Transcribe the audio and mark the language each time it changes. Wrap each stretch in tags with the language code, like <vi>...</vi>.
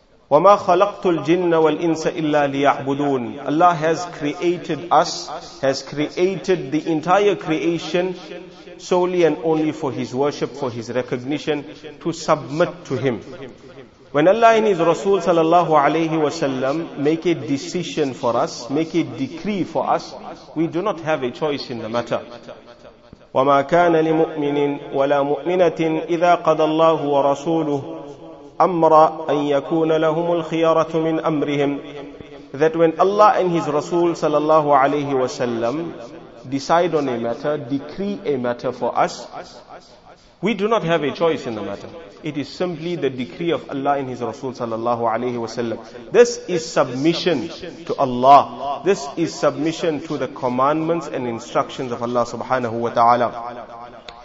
<ar>وَمَا خَلَقْتُ الْجِنَّ وَالْإِنسَ إِلَّا لِيَعْبُدُونَ</ar> <en>Allah has created us, has created the entire creation solely and only for His worship, for His recognition, to submit to Him. When Allah and His Rasul sallallahu alayhi wa sallam make a decision for us, make a decree for us, we do not have a choice in the matter.</en> <ar>وَمَا كَانَ لِمُؤْمِنٍ وَلَا مُؤْمِنَةٍ إِذَا قَدَ اللَّهُ وَرَسُولُهُ أمر أن يكون لهم الخيارة من أمرهم.</ar> <en>That when Allah and His Rasul sallallahu alayhi wa sallam decide on a matter, decree a matter for us, we do not have a choice in the matter. It is simply the decree of Allah and His Rasul sallallahu alayhi wa sallam. This is submission to Allah. This is submission to the commandments and instructions of Allah subhanahu wa ta'ala.</en>